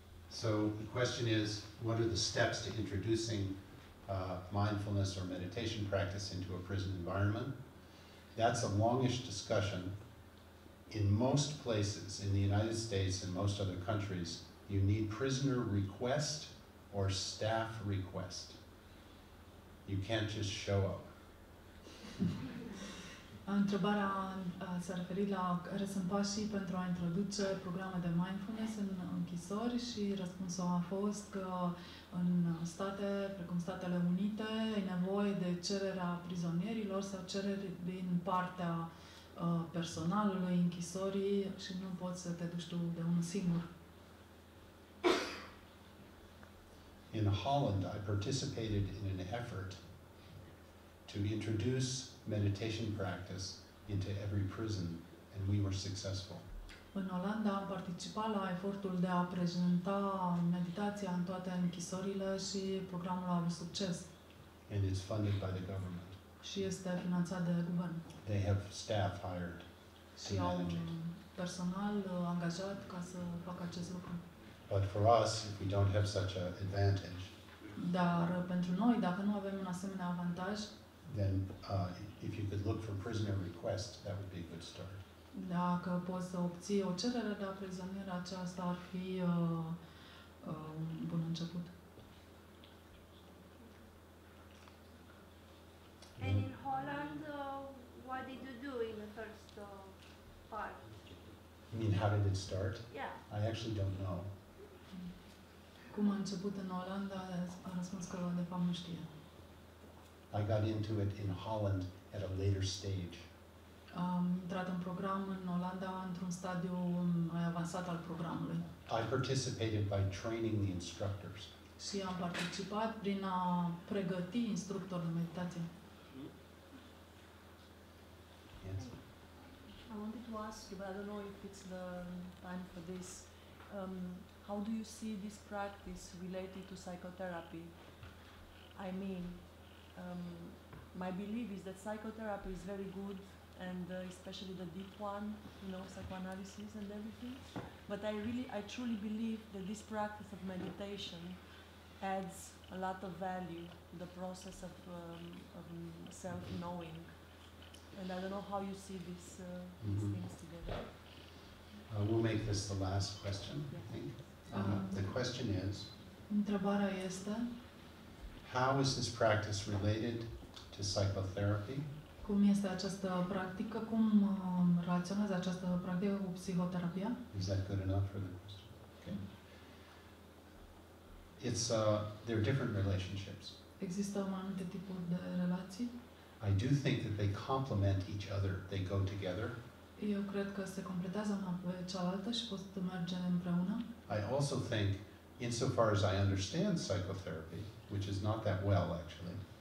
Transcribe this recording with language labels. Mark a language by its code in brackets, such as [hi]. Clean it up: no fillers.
[en] So the question is, what are the steps to introducing mindfulness or meditation practice into a prison environment? That's a longish discussion. In most places in the United States and most other countries, you need prisoner request or staff request. You can't just show up. [ro] Întrebarea s-a referit la care sunt pașii pentru a introduce programe de mindfulness în închisori și răspunsul a fost că în state, precum Statele Unite, e nevoie de cererea prizonierilor sau cereri din partea personalului închisorii și nu poți să te duci tu de un singur. [en] In Holland, I participated in an effort to introduce meditation practice into every prison and we were successful. [ro] În Olanda am participat la efortul de a prezenta meditația în toate închisorile și programul a avut succes. [en] And it's funded by the government. [ro] Și este finanțat de guvern. [en] They have staff hired [ro] și au personal angajat ca să facă acest lucru. [en] But for us, if we don't have such an advantage, [ro] dar pentru noi, dacă nu avem un asemenea avantaj, [en] then if you could look for prisoner request, that would be a good start. [ro] Dacă poți să obții o cerere de aprizonire, aceasta ar fi un bun început. [en] And in Holland, what did you do in the first part? You mean how did it start? Yeah. I actually don't know. [ro] Cum a început în Olanda? A răspuns că de fapt nu știe. [en] I got into it in Holland at a later stage. [ro] Am intrat în program în Olanda într-un stadiu mai avansat al programului. [en] I participated by training the instructors. [ro] Și am participat prin a pregăti instructorii de meditație. [en] I wanted to ask you, but I don't know if it's the time for this. How do you see this practice related to psychotherapy? I mean, my belief is that psychotherapy is very good, and especially the deep one, you know, psychoanalysis and everything. But I truly believe that this practice of meditation adds a lot of value to the process of self-knowing. And I don't know how you see this, these things together. We'll make this the last question, yeah. I think. The question is, [ro] întrebarea este, [en] how is this practice related to psychotherapy? [ro] Cum este această practică? Cum relaționează această practică cu psihoterapia? [en] Is that good enough for the question? Okay. It's, there are different relationships. [ro] Există mai multe tipuri de relații. [en] I do think that they complement each other. They go together. [ro] Eu cred că se completează una pe cealaltă și pot să merge împreună. [en] I also think, insofar as I understand psychotherapy, which is not that well, actually.